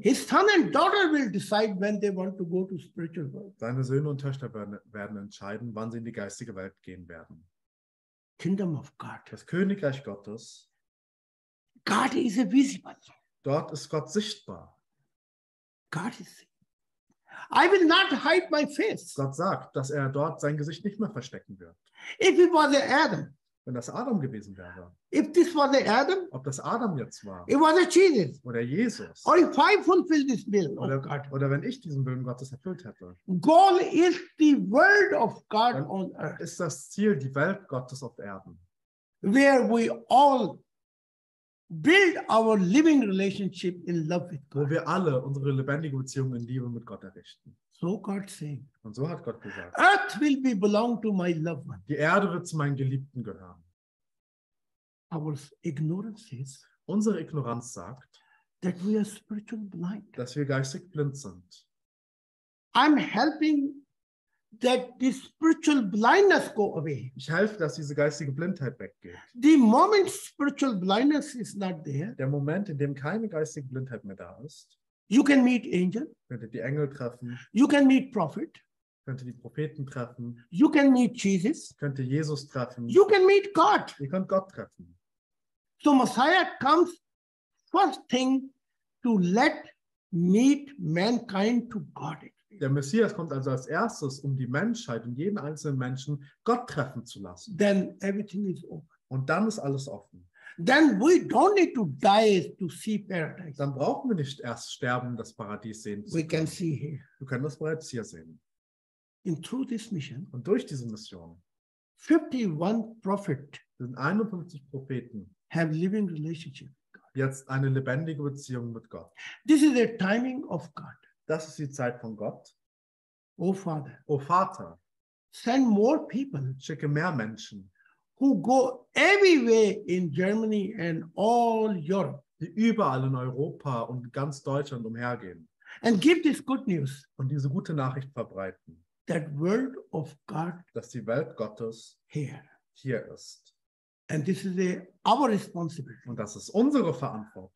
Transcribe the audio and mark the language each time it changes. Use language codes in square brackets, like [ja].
[en] his son and daughter will decide when they want to go to spiritual world. [de] Seine Söhne und Töchter werden entscheiden, wann sie in die geistige Welt gehen werden. [en] Kingdom of God. [de] Das Königreich Gottes. [en] God is visible. [de] Dort ist Gott sichtbar. [en] God is. I will not hide my face. [de] Gott sagt, dass er dort sein Gesicht nicht mehr verstecken wird. [en] If it was Adam. [de] Wenn das Adam gewesen wäre. [en] If this was Adam, [de] ob das Adam jetzt war. [en] It was Jesus. [de] Oder Jesus. [en] Or if I fulfill this will, [de] oder, [en] oh God. [de] Oder wenn ich diesen Willen Gottes erfüllt hätte. [en] Goal is the world of God on earth. [de] Ist das Ziel die Welt Gottes auf Erden. [en] Where we all build our living relationship in love with God. [de] Wo wir alle unsere lebendige Beziehung in Liebe mit Gott errichten. [en] So God saying. [de] Und so hat Gott gesagt. [en] Earth will be belong to my loved one. [de] Die Erde wird zu meinen Geliebten gehören. [en] Our ignorance is. [de] Unsere Ignoranz sagt. [en] That we are spiritually blind. [de] Dass wir geistig blind sind. [en] I'm helping that the spiritual blindness go away. [de] Ich helfe, dass diese geistige Blindheit weggeht. [en] The moment spiritual blindness is not there. [de] Der Moment, in dem keine geistige Blindheit mehr da ist. [en] You can meet angel. [de] Könntet die Engel treffen. [en] You can meet prophet. [de] Könnte die Propheten treffen. [en] You can meet Jesus. [de] Könnte Jesus treffen. [en] You can meet God. [de] Ihr könnt Gott treffen. [en] So Messiah comes first thing to let meet mankind to God. [de] Der Messias kommt also als erstes, um die Menschheit und jeden einzelnen Menschen Gott treffen zu lassen. [en] Then everything is open. [de] Und dann ist alles offen. [en] Then we don't need to die to see paradise. [de] Dann brauchen wir nicht erst sterben, das Paradies sehen. [en] We can see here. [de] Wir können das bereits hier sehen. [en] In through this mission. [de] Und durch diese Mission. [en] 51 prophet. [de] Sind 51 Propheten. [en] Have living relationship. [de] Jetzt eine lebendige Beziehung mit Gott. [en] This is the timing of God. [de] Das ist die Zeit von Gott. [en] Oh Father. [de] Oh Vater. [en] Send more people. [de] Schicke mehr Menschen. [en] Who go everywhere in Germany and all Europe. [de] Die überall in Europa und ganz Deutschland umhergehen. [en] And give this good news. [de] Und diese gute Nachricht verbreiten. [en] That world of God. [de] Dass die Welt Gottes [en] here. [de] Hier ist. [en] And this is our responsibility. [de] Und das ist unsere Verantwortung.